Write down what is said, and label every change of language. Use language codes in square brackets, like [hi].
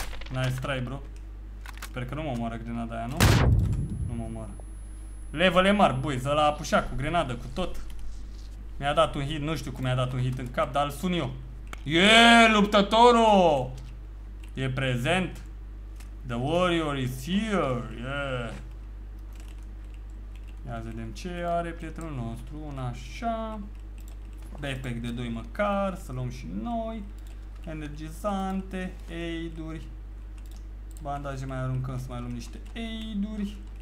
[en] Nice try, bro. [ro] Sper că nu mă omoară grenada aia, nu? Nu mă omoară. Level e mare, boys. Ăla a pușat cu grenada, cu tot. Mi-a dat un hit, nu știu cum mi-a dat un hit în cap, dar îl sun eu. Yeah, luptătorul! E prezent? [en] The warrior is here, yeah. [ro] Ia vedem ce are prietenul nostru, un așa. Backpack de 2 măcar, să luăm și noi. Energizante, aid-uri. Bandaje mai aruncăm, să mai luăm niște aid-uri.